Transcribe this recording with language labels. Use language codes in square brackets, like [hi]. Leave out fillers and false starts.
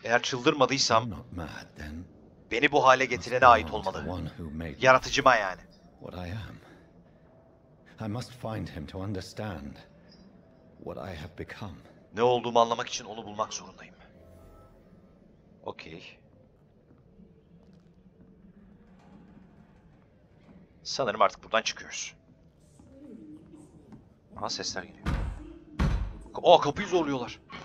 [tr] Eğer çıldırmadıysam beni bu hale getirene ait olmalı. Yaratıcıma yani. [en] I must find him to understand what I have become. [tr] Ne olduğumu anlamak için onu bulmak zorundayım. Okay. Sanırım artık buradan çıkıyoruz. Aha sesler geliyor. Aa kapıyı zorluyorlar.